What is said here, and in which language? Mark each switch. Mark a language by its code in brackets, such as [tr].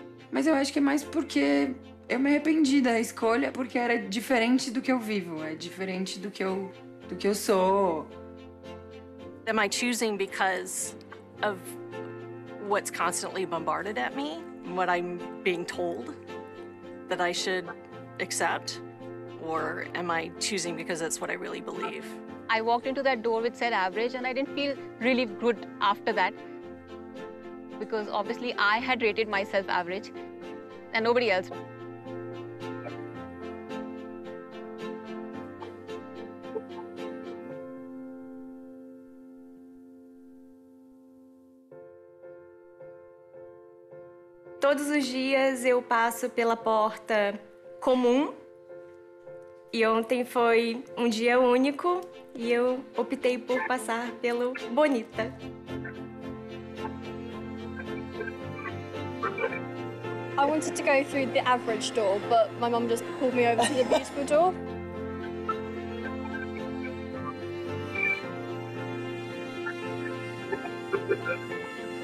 [pt] Mas eu acho que é mais porque eu me arrependi da escolha, porque era diferente do que eu vivo, é diferente do que eu sou. [en] Am I choosing because of what's constantly bombarded at me, what I'm being told that I should accept, or am I choosing because that's what I really believe? I walked into that door with said average, and I didn't feel really good after that, because obviously I had rated myself average and nobody else. [pt] Todos os dias eu passo pela porta comum e ontem foi dia único e eu optei por passar pelo bonita. [en] I wanted to go through the average door, but my mom just pulled me over to the beautiful door. Thank you.